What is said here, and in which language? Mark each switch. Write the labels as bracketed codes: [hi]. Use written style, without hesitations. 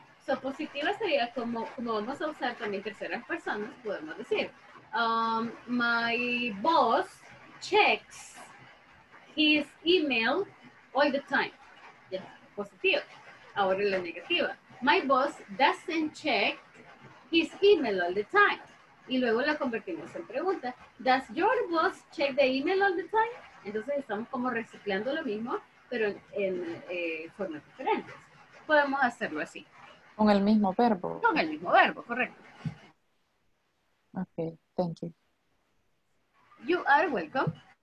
[es] So positiva sería como vamos a usar también terceras personas, podemos decir. [en] My boss checks his email all the time. Yes, [es] positivo. Ahora la negativa. [en] My boss doesn't check his email all the time. [es] Y luego la convertimos en pregunta. [en] Does your boss check the email all the time? [es] Entonces estamos como reciclando lo mismo, pero en formas diferentes. Podemos hacerlo así. Con el mismo verbo. Con el mismo verbo, correcto. [en] Okay, thank you. You are welcome.